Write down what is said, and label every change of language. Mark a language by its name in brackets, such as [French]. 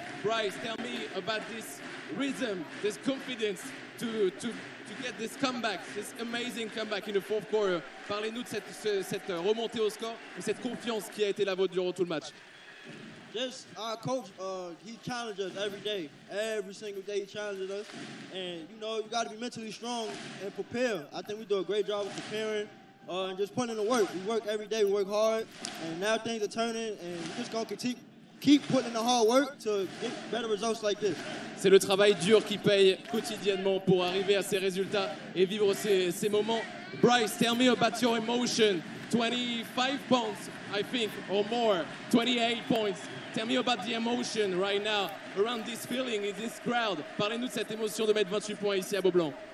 [English] Bryce, tell me about this rhythm, this confidence to get this comeback, this amazing comeback in the fourth quarter. [French] Parlez-nous de cette remontée au score et cette confiance qui a été la vôtre durant tout le match. [English] Just our coach, he challenges us every day. Every single day he challenges us. And you know, you got to be mentally strong and prepare. I think we do a great job of preparing and just putting in the work. We work every day, we work hard. And now things are turning and we're just going to keep putting in the hard work to get better results like this. [French] C'est le travail dur qui paye quotidiennement pour arriver à ces résultats et vivre ces moments. [English] Bryce, tell me about your emotion. 25 points, I think, or more, 28 points. Tell me about the emotion right now around this feeling in this crowd. [French] Parlez-nous de cette émotion de mettre 28 points ici à Beaublanc.